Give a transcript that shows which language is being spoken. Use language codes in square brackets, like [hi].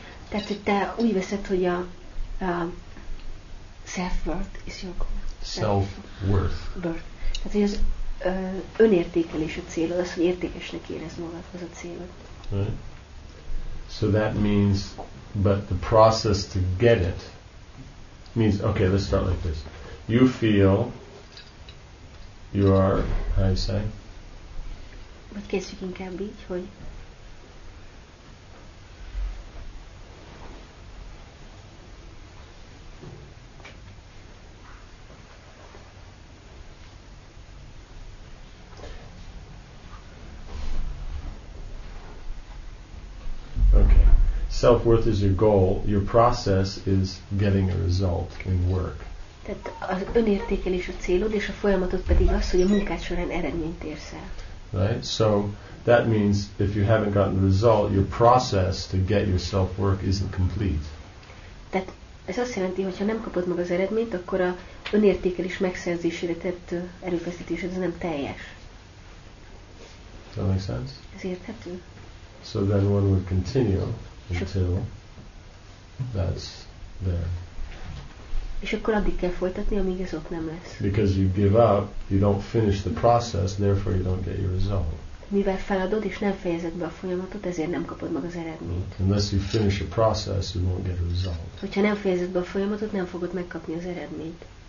[hu] Tehát, hogy te úgy veszed, hogy a [en] self-worth is your goal. Self-worth. [hu] Tehát, hogy az önértékelés a célod, az, hogy értékesnek érezd magad, az a célod. [en] Right? So that means... But the process to get it means, okay, let's start like this. You feel you are, how do you say? But guess you can count beach, hogy? Self-worth is your goal. Your process is getting a result in work. [hu] Tehát az önértékelés a célod, és a folyamatod pedig az, hogy a munkád során eredményt érsz el. [en] Right? So that means if you haven't gotten the result, your process to get your self-work isn't complete. [hu] Tehát ez azt jelenti, hogy ha nem kapod meg az eredményt, akkor a önértékelés megszerzésére tett erőfeszítés az nem teljes. [en] Does that make sense? [hu] Ez érthető. [en] So then one would continue. Until that's there. [hu] És akkor addig kell folytatni, amíg ez ott nem lesz. [en] Because you give up, you don't finish the process, therefore you don't get your result. [hu] Mivel feladod és nem fejezed be a folyamatot, ezért nem kapod meg az eredményt. [en] Unless you finish a process, you won't get a result. [hu] Hogyha nem fejezed be a folyamatot, nem fogod megkapni az eredményt.